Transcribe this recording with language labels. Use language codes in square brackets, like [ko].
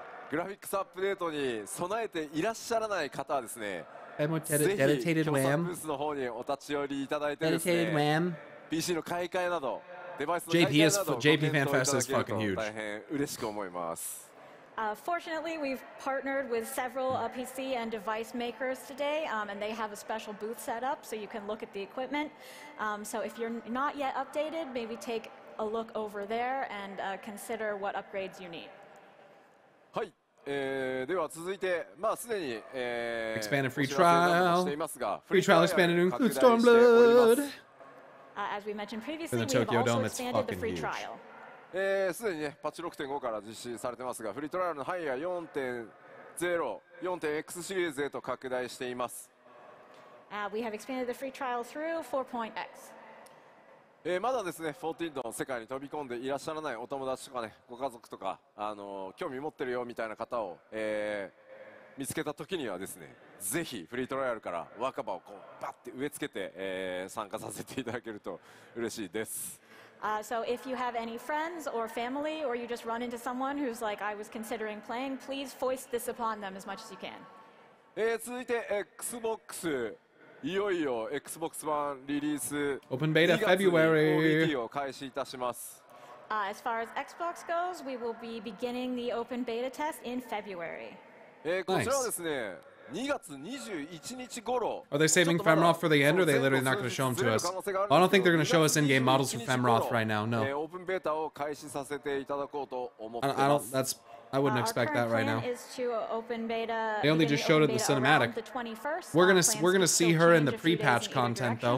[ja] グラフィックスアップデートに備えていらっしゃらない方はですね、ぜひ協賛ブースの方にお立ち寄りいただいてですね、PCの買い替えなど、デバイスの検討など、検討いただけると大変嬉しく思います。 [en] Fortunately, we've partnered with several PC and device makers today, and they have a special booth set up so you can look at the equipment. So if you're not yet updated, maybe take a look over there and consider what upgrades you need. [ja] はい。では続いて、まあすでに [en] Expanded Free Trial Free Trial expanded to include Stormblood As we mentioned previously, we've also expanded the Free Trial [ja] すでにね、Patch 6.5 から実施されてますが Free Trial の範囲は 4.0 4.X シリーズへと拡大しています [en] We have expanded the Free Trial through 4.X [ja] まだですね 14 の世界に飛び込んでいらっしゃらないお友達とかね、ご家族とか、興味持ってるよみたいな方を見つけた時にはですね、ぜひフリートライアルから若葉をこうバッて植え付けて参加させていただけると嬉しいです。 [en] So if you have any friends or family or you just run into someone who's like I was considering playing, please foist this upon them as much as you can. [ja] 続いて Xbox いよいよ Xbox One リリース [en] Open Beta February [ja] を開始いたします [en] As far as Xbox goes, we will be beginning the Open Beta test in February [ja] こちらはですね 2月21日頃 [en] Are they saving Femroth for the end or are they literally not going to show them to us? I don't think they're going to show us in-game models for Femroth right now, no [ja] Open Beta を開始させていただこうと思ってます [en] I wouldn't expect that right now. Is to open beta, they only just showed her the cinematic. The 21st. We're gonna see her in the pre-patch content, though.